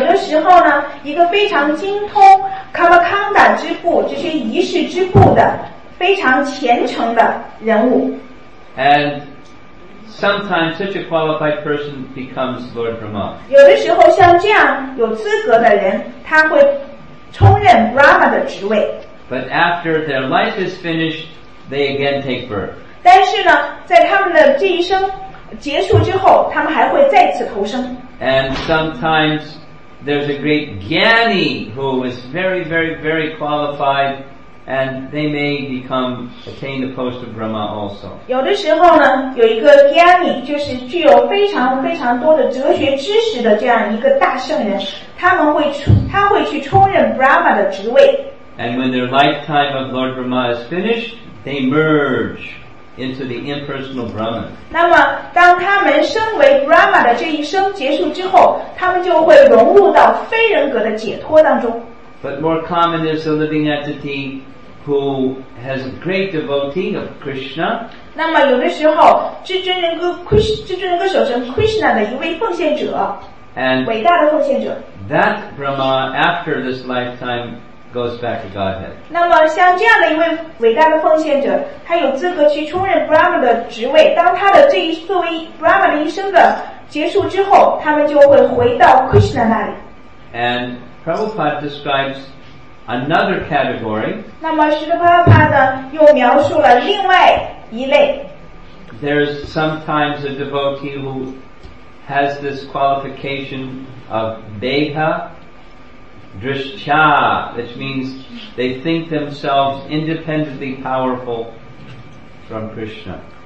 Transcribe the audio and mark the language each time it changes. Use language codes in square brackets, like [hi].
[zh] 那么有的时候呢，一个非常精通 karma khanda 之部，这些仪式之部的非常虔诚的人物。 [en] And sometimes such a qualified person becomes Lord Brahma. [zh] 有的时候像这样有资格的人，他会充任 Brahma 的职位。 [en] But after their life is finished, they again take birth. [zh] 但是呢，在他们的这一生结束之后，他们还会再次投生。 [en] And sometimes there's a great Gyani who is very, very, very qualified And they may become attain the post of Brahma also. [zh] 有的时候呢，有一个 Gyani， 就是具有非常非常多的哲学知识的这样一个大圣人，他会去充任 Brahma 的职位。 [en] And when their lifetime of Lord Brahma is finished, they merge into the impersonal Brahman. [zh] 那么，当他们身为 Brahma 的这一生结束之后，他们就会融入到非人格的解脱当中。 [en] But more common is a living entity who has a great devotee of Krishna. [zh] 那么有的时候，至尊人格所称 Krishna 的一位奉献者， [en] and [zh] 伟大的奉献者。 [en] That Brahma after this lifetime goes back to Godhead. [zh] 那么像这样的一位伟大的奉献者，他有资格去充任 Brahma 的职位。当他的这一作为 Brahma 的一生的结束之后，他们就会回到 Krishna 那里。 [en] And Prabhupada describes another category. [zh] 那么释迦牟尼佛呢，又描述了另外一类。 [en] There's sometimes a devotee who has this qualification of Deha Drishya, which means they think themselves independently powerful from Krishna.